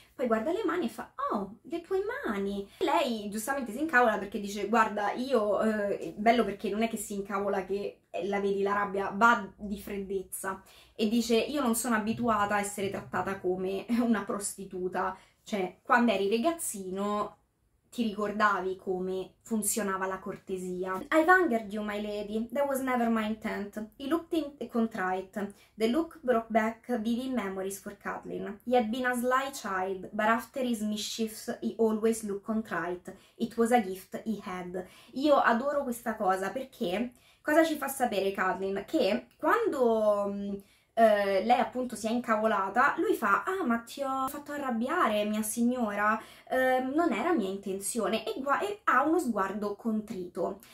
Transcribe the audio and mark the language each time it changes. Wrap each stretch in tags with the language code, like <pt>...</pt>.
<it>Poi guarda le mani e fa: oh, le tue mani. Lei giustamente si incavola perché dice: guarda, io, bello perché non è che si incavola che la vedi la rabbia, va di freddezza. E dice: io non sono abituata a essere trattata come una prostituta. Cioè, quando eri ragazzino ti ricordavi come funzionava la cortesia.</it> <en>I've angered you, my lady. That was never my intent. He looked in contrite. The look brought back vivid memories for Catelyn. He had been a sly child, but after his mischiefs he always looked contrite. It was a gift he had.</en> <it>Io adoro questa cosa perché cosa ci fa sapere Catelyn? Che quando lei appunto si è incavolata, lui fa: ah, ma ti ho fatto arrabbiare, mia signora, non era mia intenzione, e ha uno sguardo contrito.</it>